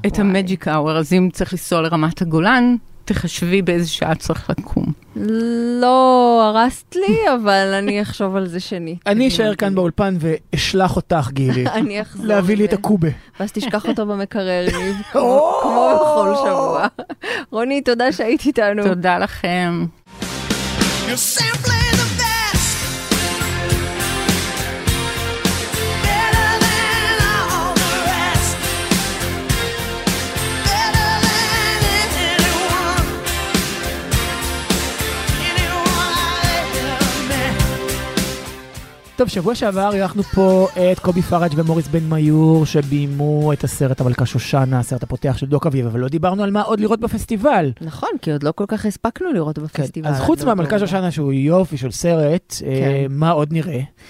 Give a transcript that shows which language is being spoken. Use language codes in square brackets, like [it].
[he] את המג'יק אואר, אז אם צריך לנסוע לרמת הגולן, תחשבי באיזה שעה צריך לקום. לא, הרסת לי, אבל אני אחשוב על זה שני. אני אשאר כאן באולפן ואשלח אותך, גילי. אני אחזור. להביא לי את הקובה. ואז תשכח אותו במקרר, כמו בכל שבוע. רוני, תודה שהיית איתנו. תודה לכם. [en] You're simply the best, better than all the rest, better than anyone I've ever met. [he] טוב, שבוע שעבר אירחנו פה את קובי פראג' ומוריס בן מיור שבימו את הסרט המלכה שושנה, הסרט הפותח של דוק אביב, אבל לא דיברנו על מה עוד לראות בפסטיבל. נכון, כי עוד לא כל כך הספקנו לראות בפסטיבל. אז חוץ מהמלכה שושנה שהוא יופי של סרט, מה עוד נראה?